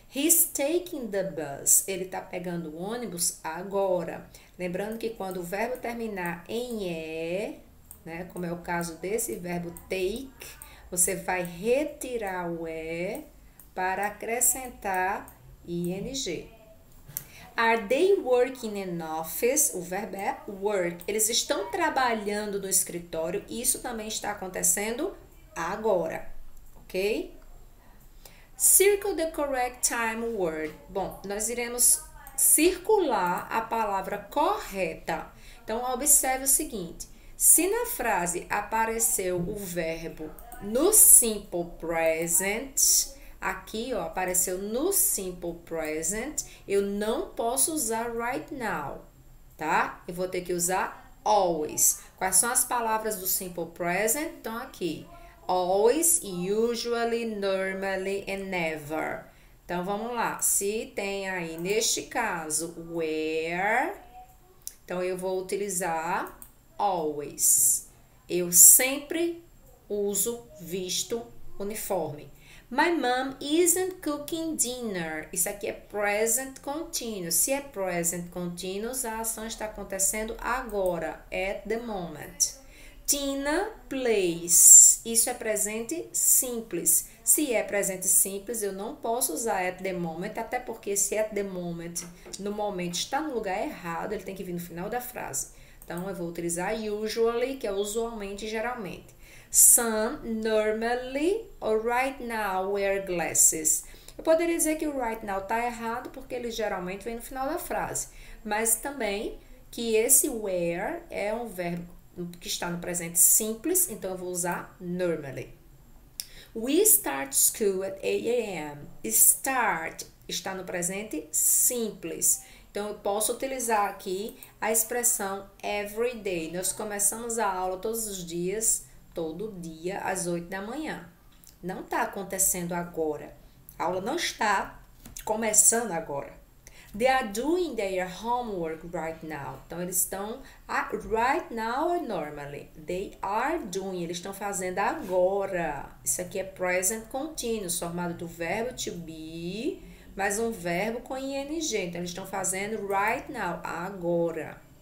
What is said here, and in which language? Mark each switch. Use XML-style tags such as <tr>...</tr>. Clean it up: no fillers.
<en>He's taking the bus.</en> <pt>Ele está pegando o ônibus agora. Lembrando que quando o verbo terminar em "-e", né, como é o caso desse verbo take, você vai retirar o "-e", para acrescentar "-ing".</pt> <en>Are they working in office?</en> <pt>O verbo é work. Eles estão trabalhando no escritório. Isso também está acontecendo agora, ok?</pt> <en>Circle the correct time word.</en> <pt>Bom, nós iremos circular a palavra correta. Então, observe o seguinte: se na frase apareceu o verbo no simple present, aqui, ó, apareceu no simple present, eu não posso usar right now, tá? Eu vou ter que usar always. Quais são as palavras do simple present? Então, aqui.</pt> <en>Always, usually, normally and never.</en> <pt>Então vamos lá. Se tem aí neste caso where, então eu vou utilizar always. Eu sempre uso visto uniforme.</pt> <en>My mom isn't cooking dinner.</en> <pt>Isso aqui é present continuous. Se é present continuous, a ação está acontecendo agora, at the moment.</pt> <en>Tina plays.</en> <pt>Isso é presente simples. Se é presente simples, eu não posso usar at the moment, até porque esse at the moment, no momento, está no lugar errado, ele tem que vir no final da frase. Então, eu vou utilizar usually, que é usualmente, geralmente.</pt> <en>Sam, normally or right now wear glasses.</en> <pt>Eu poderia dizer que o right now está errado, porque ele geralmente vem no final da frase. Mas também que esse wear é um verbo que está no presente simples, então eu vou usar normally.</pt> <en>We start school at 8 a.m.</en> <pt>Start está no presente simples. Então eu posso utilizar aqui a expressão every day. Nós começamos a aula todos os dias, todo dia, às 8 da manhã. Não está acontecendo agora. A aula não está começando agora.</pt> <en>They are doing their homework right now.</en> <pt>Então eles estão right now or normally?</pt> <en>They are doing.</en> <pt>Eles estão fazendo agora. Isso aqui é present continuous, formado do verbo to be, mais um verbo com ing. Então eles estão fazendo right now, agora.</pt>